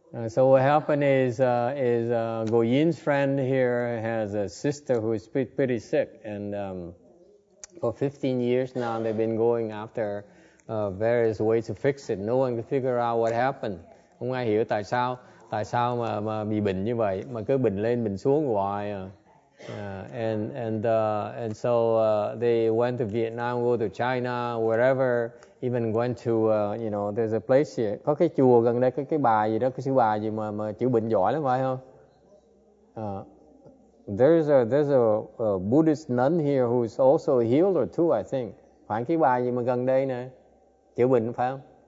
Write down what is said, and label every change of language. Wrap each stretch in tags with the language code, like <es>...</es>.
<en>So what happened is Goyin's friend here has a sister who is pretty sick, and for 15 years now they've been going after various ways to fix it. No one can figure out what happened.</en> <vi>Không ai hiểu tại sao mà bị bệnh như vậy, mà cứ bệnh lên bệnh xuống hoài.</vi> <en>And so they went to Vietnam, go to China, wherever, even went to you know, there's a place here.</en> <vi>Có cái chùa gần đây, cái bà gì đó, cái sư bà gì mà chữa bệnh giỏi lắm phải không?</vi> <en>There's a Buddhist nun here who's also a healer too, I think.</en> <vi>Phải cái bà gì mà gần đây nè, chữa bệnh phải không?</vi>